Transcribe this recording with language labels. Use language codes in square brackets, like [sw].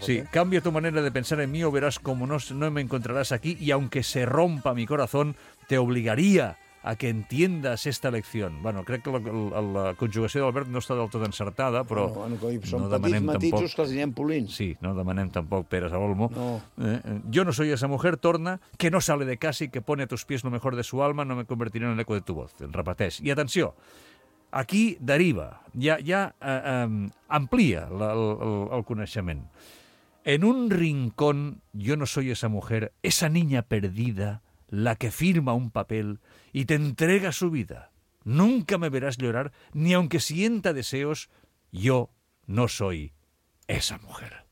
[es] Sí, cambia tu manera de pensar en mí o verás como no me encontrarás aquí y aunque se rompa mi corazón, te obligaría a que entiendas esta lección. [ca] Bueno, crec que la conjugació d'Albert no està del tot encertada, però no demanem tampoc... Són petits matitzos que els anirem polint. Sí, no demanem tampoc peres a l'olmo. No. [es] Yo no soy esa mujer, [ca] torna, [es] que no sale de casa y que pone a tus pies lo mejor de su alma, no me convertiré en el eco de tu voz. [ca] El repeteix. I atenció, aquí deriva, ja amplia el coneixement. [es] En un rincón, yo no soy esa mujer, esa niña perdida, la que firma un papel y te entrega su vida. Nunca me verás llorar, ni aunque sienta deseos, yo no soy esa mujer.